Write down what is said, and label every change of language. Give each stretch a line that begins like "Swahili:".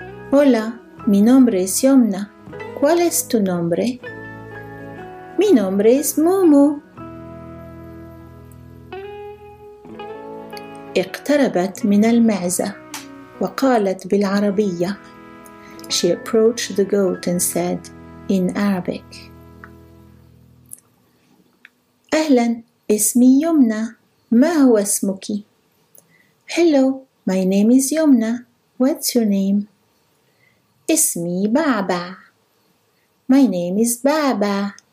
Spanish: Hola, Mi nombre es Yomna. ¿Cuál es tu nombre? Mi nombre es Mumu.
Arabic: اقتربت من المعزة وقالت بالعربية.
English: She approached the goat and said in Arabic.
Arabic: أهلا اسمي يمنى ما هو اسمك؟
English: Hello, my name is Yomna. What's your name?
Arabic: اسمي بعبع.
English: My name is بعبع.